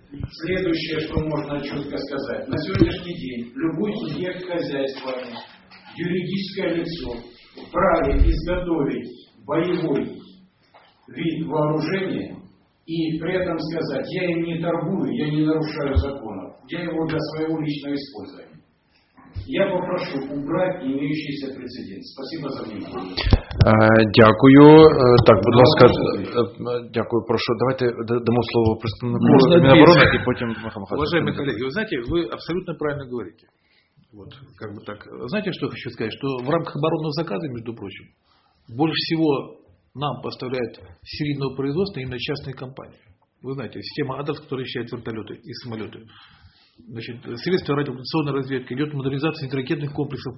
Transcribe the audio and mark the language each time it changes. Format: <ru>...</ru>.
<ru>Следующее, что можно четко сказать. На сегодняшний день любой субъект хозяйства, юридическое лицо вправе изготовить боевой вид вооружения и при этом сказать, я им не торгую, я не нарушаю законов, я его для своего личного использования. Я попрошу убрати имеющийся прецедент. Спасибо за внимание.</ru> <uk>Дякую. Так, будь ласка, дякую, прошу. Давайте дамо слово представнику Міноборони, і потім Махамхат.</uk> <ru>Уважаемые коллеги, вы знаете, вы абсолютно правильно говорите. Вот, как бы так. Знаете, что хочу сказать? Что в рамках оборонного заказа, между прочим, больше всего нам поставляют серийного производства именно частные компании. Вы знаете, система АДРС, которая защищает вертолеты и самолеты. Значит, средства радиоэлектронной разведки, идет модернизация ракетных комплексов.</ru>